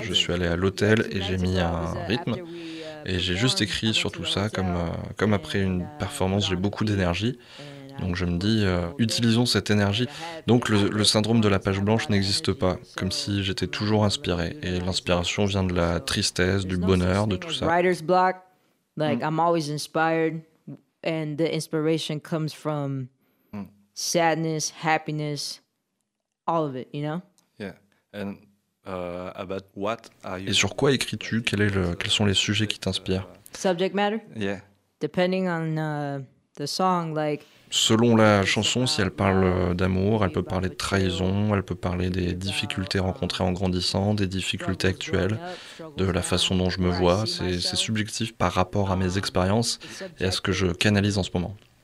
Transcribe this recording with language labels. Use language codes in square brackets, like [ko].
[fr] Je suis allé à l'hôtel et j'ai mis un rythme. Et j'ai juste écrit sur tout ça, comme après une performance, j'ai beaucoup d'énergie. Donc je me dis, utilisons cette énergie. Donc le syndrome de la page blanche n'existe pas, comme si j'étais toujours inspiré. Et l'inspiration vient de la tristesse, du bonheur, de tout ça. [en] Writer's block, like I'm always inspired, and the inspiration comes from sadness, happiness, all of it, you know? Yeah. And about what are you? [fr] Et sur quoi écris-tu? Quels sont les sujets qui t'inspirent? [en] Subject matter? Yeah. Depending on the song, like. [fr] Selon la chanson, si elle parle d'amour, elle peut parler de trahison, elle peut parler des difficultés rencontrées en grandissant, des difficultés actuelles, de la façon dont je me vois. C'est subjectif par rapport à mes expériences et à ce que je canalise en ce moment.